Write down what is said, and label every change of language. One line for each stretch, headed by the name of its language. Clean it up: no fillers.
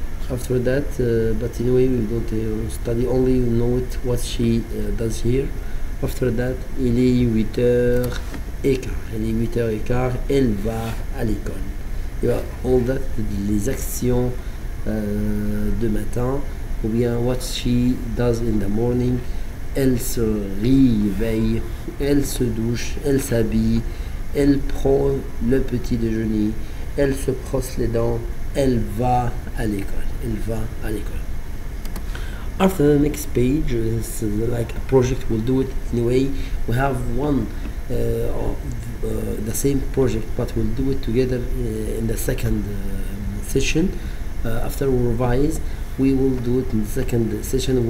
English: After that, but anyway, we don't study only you know it what she does here. After that,
French: il est 8h15. Il est 8h15. Elle va à l'école.
English: You have all that
French: les actions de matin ou bien
English: what she does in the morning.
French: Elle se réveille, elle se douche, elle s'habille, elle prend le petit déjeuner, elle se brosse les dents, elle va à l'école, elle va à l'école.
English: After the next page, this is like a project, we'll do it anyway. We have one the same project, but we'll do it together in the second session. After we revise, we will do it in the second session.